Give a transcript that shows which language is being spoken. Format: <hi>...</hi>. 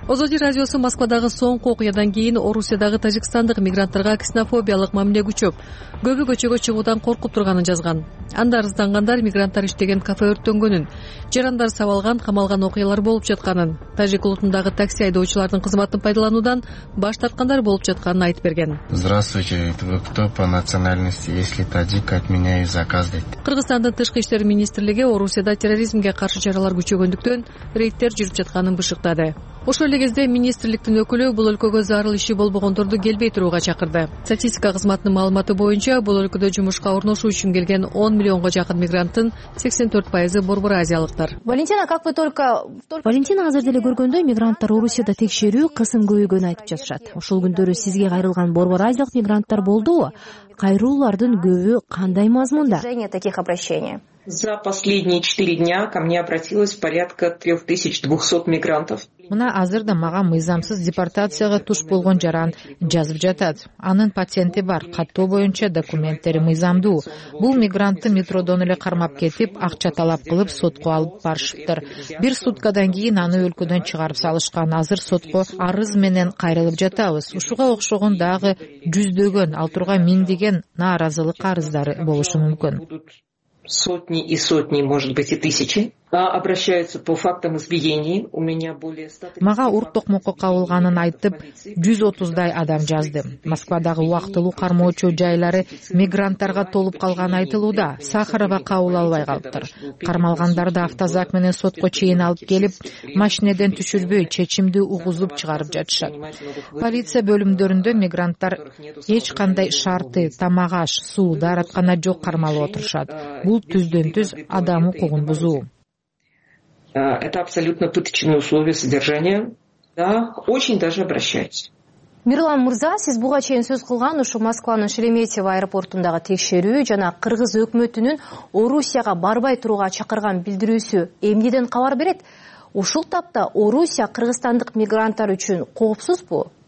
<ky>Озоди радиосу Москвадагы соңку окуядан кийин Орусиядагы тажикстандык мигранттарга ксенофобиялык мамиле күчөп, көбү көчөгө чыгуудан коркуп турганын жазган. Анда арыздангандар мигранттар иштеген кафе өрттөнгөнүн, жарандар сабалган, камалган окуялар болуп жатканын, тажик улутундагы такси айдоочулардын кызматын пайдалануудан баш тарткандар болуп жатканын айтып берген.</ky> <ru>Здравствуйте, вы кто по национальности? Если таджик, отменяю заказ</ru> <ky>дейт. Кыргызстандын тышкы иштер министрлиги Орусияда терроризмге каршы чаралар күчөгөндүктөн рейдтер жүрүп жатканын бышыктады. Ошол эле кезде министрликтин өкүлү бул өлкөгө зарыл иши болбогондорду келбей турууга чакырды. Статистика кызматынын маалыматы боюнча бул өлкөдө жумушка орношуу үчүн келген 10 миллионго жакын мигранттын 84% борбор азиялыктар. Валентина,</ky> <ru>как вы только</ru> <ky>Валентина азыр деле көргөндөй мигранттар Орусияда текшерүү кысым көйгөнүн айтып жатышат. Ошол күндөрү сизге кайрылган борбор азиялык мигранттар болдубу? Кайрылуулардын көбү кандай мазмунда?</ky> <ru>За последние 4 дня ко мне обратилось порядка 3200 мигрантов.</ru> <ky>Мына азыр да мага мыйзамсыз депортацияга туш болгон жаран жазып жатат. Анын патенти бар, каттоо боюнча документтери мыйзамдуу. Бул мигрантты метродон эле кармап кетип, акча талап кылып сотко алып барышыптыр. Бир суткадан кийин аны өлкөдөн чыгарып салышкан. Азыр сотко арыз менен кайрылып жатабыз. Ушуга окшогон дагы жүздөгөн, ал турган миңдеген нааразылык арыздары болушу мүмкүн.</ky> <ru>сотни и сотни, может быть, и тысячи. Обращаются по фактам избиений. У меня более 100.</ru> <ky>Мага урттук мукукка болгонун айтып 130 дай адам жазды. Москвадагы уактылуу кармоочу жайлары мигранттарга толуп калган айтылууда. Сахарова кабыл албай калыптыр. Кармалгандарды автозак менен сотко чейин алып келип, машинеден түшүрбөй чечимди угузуп чыгарып жатышат. Полиция бөлүмдөрүндө мигранттар эч кандай шарты, тамагаш, суу, дараткана жок кармалып отурушат. Бул түздөн-түз адам укугун бузуу.</ky> <ru>Это абсолютно пыточные условия содержания. Да, очень даже обращаюсь.</ru> <ky>Мирлан Мырза, сиз буга чейин сөз кылган ушу Москванын Шереметьево аэропортундагы текшерүү жана кыргыз өкмөтүнүн Орусияга барбай турууга чакырган билдирүүсү эмнеден кабар берет? Ушул тапта Орусия кыргызстандык мигранттар үчүн коопсузбу?</ky>